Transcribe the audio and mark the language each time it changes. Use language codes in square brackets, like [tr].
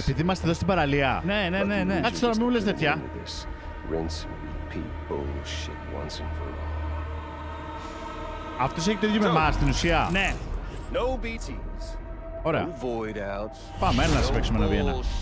[el] Επειδή είμαστε εδώ στην παραλία. Ναι. Κάτσε τώρα, μην μου λες τέτοια. [en] Rinse and repeat bullshit once and for all. [el] Αυτός έχει το ίδιο με εμάς, στην ουσία. [en] Ναι. No BTs. [el] Ωραία. Πάμε, έλα να σε παίξουμε ένα Βιέννα.